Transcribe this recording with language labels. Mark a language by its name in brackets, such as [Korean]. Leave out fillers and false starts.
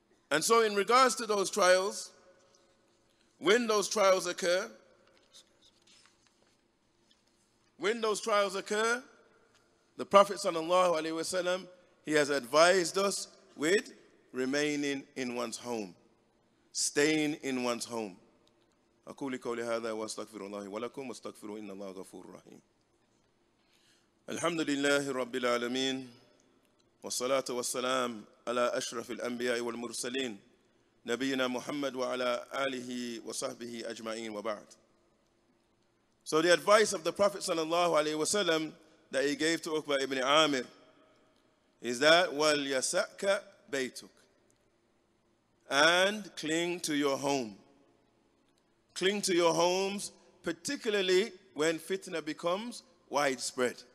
[English] And so in regards to those trials, when those trials occur, when those trials occur, the Prophet sallallahu alaihi wasallam, he has advised us with remaining in one's home, staying in one's home. [Arabic] أقول قولي هذا واستغفر الله ولكم واستغفر إن الله غفور رحيم. الحمد لله رب العالمين والصلاة والسلام على أشرف الأنبياء والمرسلين نبينا محمد وعلى آله وصحبه أجمعين وبعد. [English] So the advice of the Prophet [Arabic] صلى الله عليه وسلم [English] that he gave to Uqba ibn Amir is that [Arabic] وَلْيَسَأْكَ بَيْتُكَ, [English] and cling to your home. Cling to your homes, particularly when fitna becomes widespread.